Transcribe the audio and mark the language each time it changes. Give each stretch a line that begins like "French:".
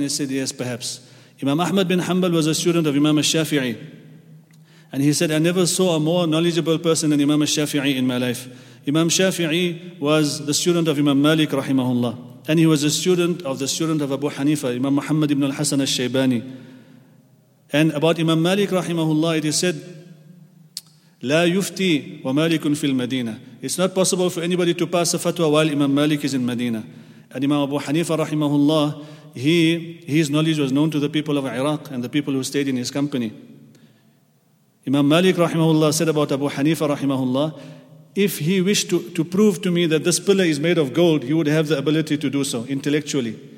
English: He said yes, perhaps. Imam Ahmad bin Hanbal was a student of Imam al-Shafi'i. And he said, I never saw a more knowledgeable person than Imam al-Shafi'i in my life. Imam Shafi'i was the student of Imam Malik, rahimahullah. And he was a student of the student of Abu Hanifa, Imam Muhammad ibn al-Hasan al-Shaybani. And about Imam Malik, rahimahullah, it is said,
Arabic: لا يفتي ومالك في المدينة.
English: It's not possible for anybody to pass a fatwa while Imam Malik is in Medina. And Imam Abu Hanifa rahimahullah, his knowledge was known to the people of Iraq and the people who stayed in his company. Imam Malik rahimahullah said about Abu Hanifa rahimahullah, if he wished to prove to me that this pillar is made of gold, he would have the ability to do so intellectually.